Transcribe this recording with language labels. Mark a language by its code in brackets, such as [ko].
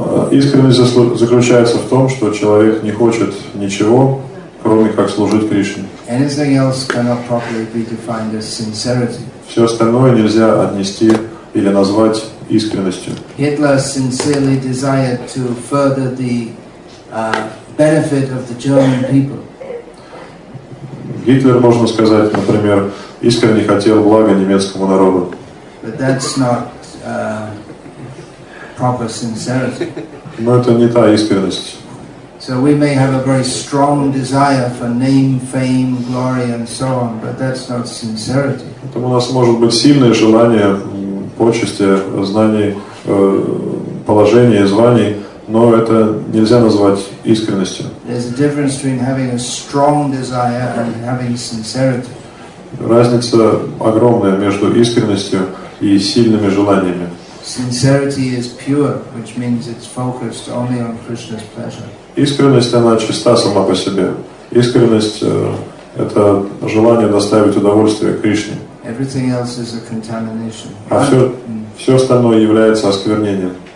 [ru] Искренность заключается в том, что человек не хочет ничего, кроме как служить Кришне. [en] Anything else cannot properly be defined as sincerity. [ru] Все остальное нельзя отнести или назвать искренностью. [en] Hitler sincerely desired to further the benefit of the German people. [ru] Гитлер, можно сказать, например, искренне хотел блага немецкому народу. [en] But that's not, proper sincerity. [ru] Но это не та искренность. [en] So we may have a very strong desire for name, fame, glory and so on, but that's not sincerity. [ru] Поэтому у нас может быть сильное желание почести, знаний, положения, званий. Но это нельзя назвать искренностью. [en] There's a difference between having a strong desire and having sincerity. [ru] Разница огромная между искренностью и сильными желаниями. [en] Sincerity is pure, which means it's focused only on Krishna's pleasure. [ru] Искренность, она чиста сама по себе. Искренность — это желание доставить удовольствие Кришне. [en] Everything else is a contamination. [ru] А все остальное является осквернением.